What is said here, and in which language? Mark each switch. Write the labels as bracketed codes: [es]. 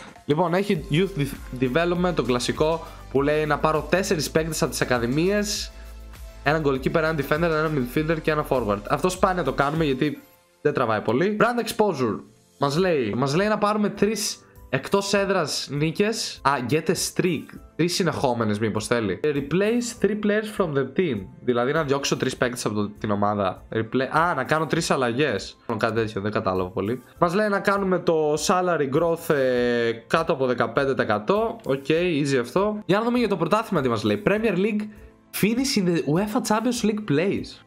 [el] Λοιπόν, έχει youth development, το κλασικό. Που λέει να πάρω 4 παίκτες από τις ακαδημίες, έναν goalkeeper, έναν defender, έναν midfielder και ένα forward. Αυτό σπάνια το κάνουμε γιατί δεν τραβάει πολύ. Brand exposure μας λέει να πάρουμε 3 Εκτός έδρας νίκες. Α, [en] get a streak. [el] Τρεις συνεχόμενες μήπως θέλει. [en] Replace three players from the team. [el] Δηλαδή να διώξω τρεις παίκτες από την ομάδα. Να κάνω τρεις αλλαγές. Κάτι τέτοιο, δεν κατάλαβα πολύ. Μας λέει να κάνουμε το salary growth κάτω από 15%. Οκ, easy αυτό. Για να δούμε για το πρωτάθλημα τι μας λέει. [en] Premier League finish in the UEFA Champions League place.